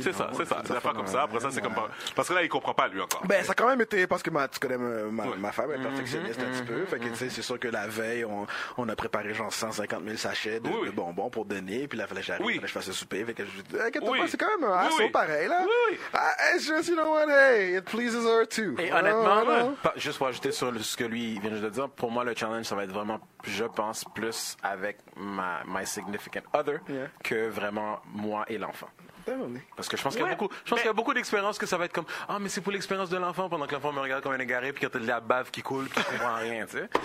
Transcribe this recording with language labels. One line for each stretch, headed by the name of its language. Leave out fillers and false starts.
French: C'est non, ça, c'est ça. Des affaires comme ça. Après ça, c'est comme. Parce que là, il comprend pas, lui, encore. Ben, ça a quand même été parce que tu connais ma femme, elle est perfectionniste un petit peu. Fait que, tu sais, c'est sûr que la veille, on a préparé genre 150 000 sachets de bonbons pour donner. Puis là, il fallait que j'arrive, je fasse le souper. Fait que je dis, inquiète-toi pas, c'est quand même un assaut pareil, là.
English: It's just, you know what, hey, it pleases her too.
French: Et honnêtement, juste pour ajouter sur ce que lui vient juste de dire, pour moi, le challenge, ça va être vraiment, je pense, plus avec
English: my significant other
French: que vraiment moi et l'enfant. Parce que je pense qu'il y a beaucoup d'expériences que ça va être comme ah, mais c'est pour l'expérience de l'enfant pendant que l'enfant me regarde comme un égaré, puis quand t'as de la bave qui coule, puis tu comprends rien, tu sais.